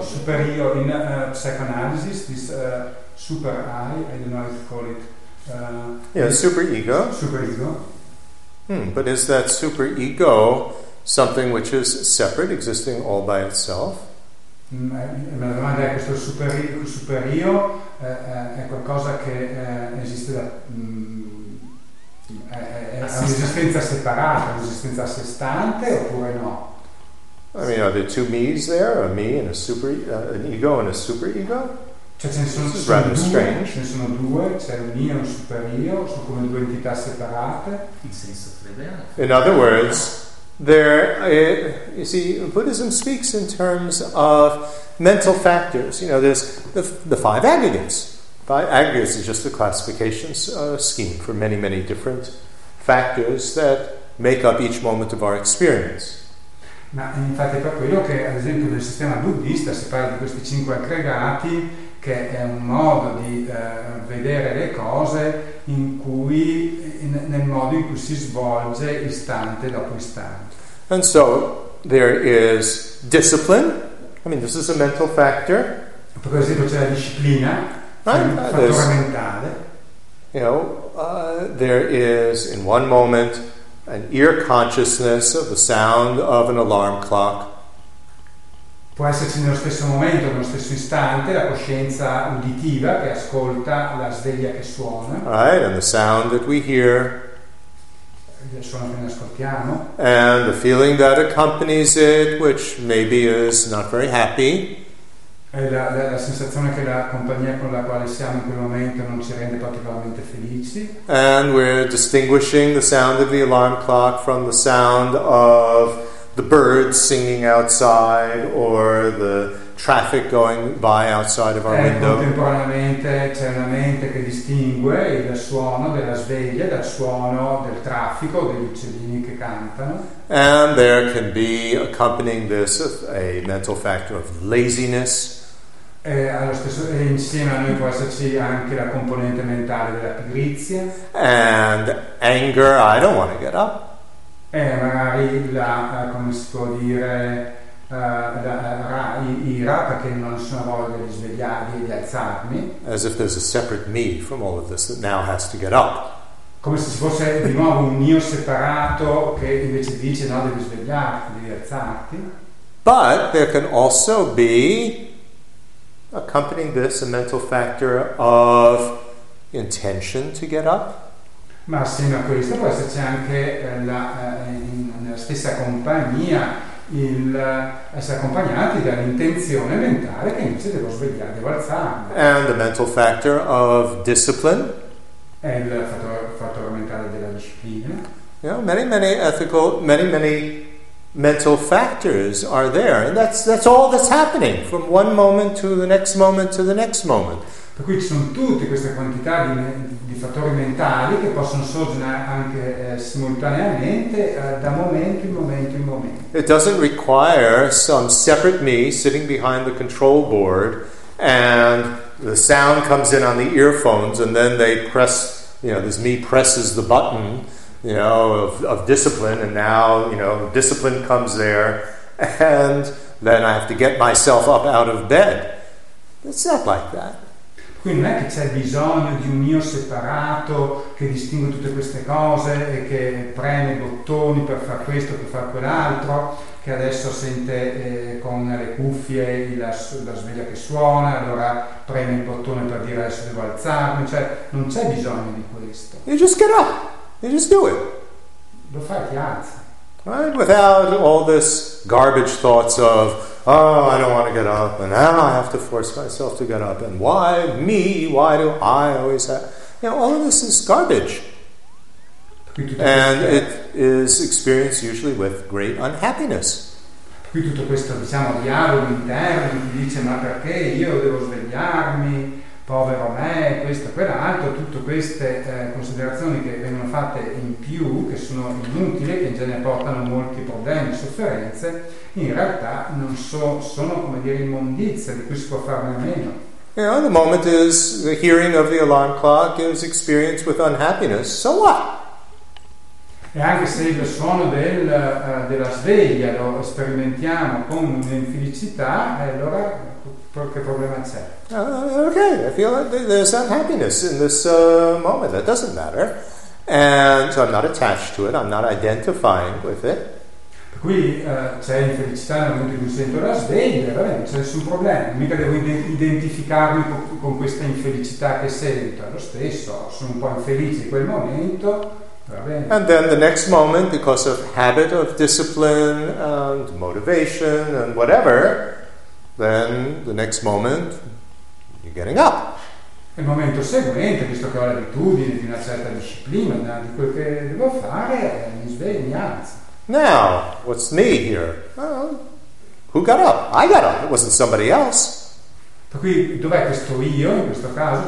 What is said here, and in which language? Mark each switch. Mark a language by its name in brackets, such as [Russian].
[English] Superio in psychoanalysis, this super I don't know how to call it. Superego. Superego. But is that superego something which is separate, existing all by itself? [Italian] Ma la domanda è, questo superio è qualcosa che esiste da è un'esistenza separata, un'esistenza a sé stante, oppure no? [English] I mean, are there two me's there? A me and a super an ego and a superego? [Italian] Cioè, ce ne sono, [English] this is rather [Italian] due, [English] strange. [Italian] Ce ne sono due, c'è un io e un superio, sono come due entità separate. [English] In other words, there, you see, Buddhism speaks in terms of mental factors. You know, there's the five aggregates. Five aggregates is just a classification scheme for many, many different factors that make up each moment of our experience. [Italian] Ma infatti è proprio quello che, ad esempio, nel sistema buddista si parla di questi cinque aggregati, che è un modo di vedere le cose in cui, nel modo in cui si svolge istante dopo istante. [English] And so there is discipline. I mean, this is a mental factor. [Italian] Per esempio c'è la disciplina, [English] right? [Italian] Un fattore mentale. [English] You know, there is in one moment an ear consciousness of the sound of an alarm clock. [Italian] Può esserci nello stesso momento, nello stesso istante, la coscienza uditiva che ascolta la sveglia che suona. [English] Right, and the sound that we hear. [Italian] Il suono che ne ascoltiamo. [English] And the feeling that accompanies it, which maybe is not very happy. [Italian] E la sensazione che la compagnia con la quale siamo in quel momento non ci rende particolarmente felici. [English] And we're distinguishing the sound of the alarm clock from the sound of the birds singing outside or the traffic going by outside of our window. [Italian] Contemporaneamente c'è una mente che distingue il suono della sveglia dal suono del traffico, degli uccellini che cantano. [English] And there can be accompanying this a mental factor of laziness. [Italian] E allo stesso, e insieme a noi può esserci anche la componente mentale della pigrizia. [English] And anger, I don't want to get up. [Italian] E magari la, come si può dire, ira, perché non sono voglia di svegliarmi, di alzarmi. [English] As if there's a separate me from all of this that now has to get up. [Italian] Come se ci fosse di nuovo un io separato che invece dice no, devi svegliarti, devi alzarti. [English] But there can also be accompanying this a mental factor of intention to get up. [Italian] Ma assieme a questo può esserci anche nella stessa compagnia il essere accompagnati dall'intenzione mentale che invece devo svegliare, devo alzarmi. [English] And the mental factor of discipline. [Italian] E il fattore mentale della disciplina. [English] You know, many, many ethical, many, many mental factors are there, and that's all that's happening from one moment to the next moment to the next moment. [Italian] Per cui ci sono tutte queste quantità di fattori mentali che possono sorgere anche simultaneamente da momento in momento in momento. [English] It doesn't require some separate me sitting behind the control board and the sound comes in on the earphones and then they press, you know, this me presses the button of discipline, and now, discipline comes there, and then I have to get myself up out of bed. It's not like that. [Italian] Quindi non è che c'è bisogno di un io separato che distingue tutte queste cose e che preme I bottoni per far questo, per far quell'altro, che adesso sente con le cuffie la sveglia che suona, allora preme il bottone per dire adesso devo alzarmi, cioè non c'è bisogno di questo. [English] You just get up. You just do it. [Italian] Lo fai, ti alzi. [English] Right? Without all this garbage thoughts of, oh, I don't want to get up, and now I have to force myself to get up, and why me, why do I always have... all of this is garbage. And it is experienced usually with great unhappiness. [Italian] Qui tutto questo, dialogo interno, che dice, ma perché io devo svegliarmi, povero me, questo, quell'altro, tutte queste considerazioni che vengono fatte in più, che sono inutili, che in genere portano molti problemi, sofferenze, in realtà non sono come dire immondizia di cui si può farne a meno. [English] The moment is the hearing of the alarm clock is experienced with unhappiness, so what? [Italian] E anche se il suono della sveglia lo sperimentiamo con un'infelicità, allora che problema c'è? [English] Okay, I feel like there's unhappiness in this moment. That doesn't matter. And so I'm not attached to it. I'm not identifying with it. [Italian] Per cui c'è infelicità nel momento in cui sento la sveglia, va bene, non c'è nessun problema. Mica devo identificarmi con questa infelicità che sento. Lo stesso, sono un po' infelice in quel momento. [English] And then the next moment, because of habit of discipline and motivation and whatever, then the next moment you're getting up. [Italian] Il momento seguente, visto che ho l'abitudine di una certa disciplina di quel che devo fare, mi sveglio, mi alzo. [English] Now, what's me here? Well, who got up? I got up. It wasn't somebody else. [Italian] Per cui dov'è questo io in questo caso?